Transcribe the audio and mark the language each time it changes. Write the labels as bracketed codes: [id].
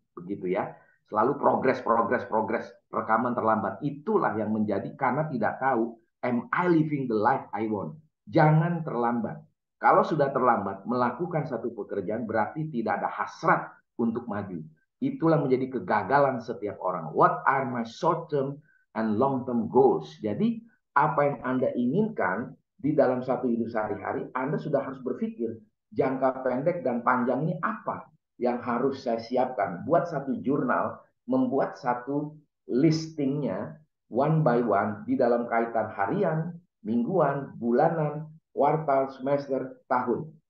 [id] Begitu ya, selalu progres, progres, progres, rekaman terlambat. Itulah yang menjadi karena tidak tahu, [en] am I living the life I want? [id] Jangan terlambat. Kalau sudah terlambat, melakukan satu pekerjaan berarti tidak ada hasrat untuk maju. Itulah menjadi kegagalan setiap orang. [en] What are my short term and long term goals? [id] Jadi, apa yang Anda inginkan di dalam satu hidup sehari-hari, Anda sudah harus berpikir jangka pendek dan panjangnya apa yang harus saya siapkan. Buat satu jurnal, membuat satu listingnya [en] one by one [id] di dalam kaitan harian, mingguan, bulanan, kuartal, semester, tahun.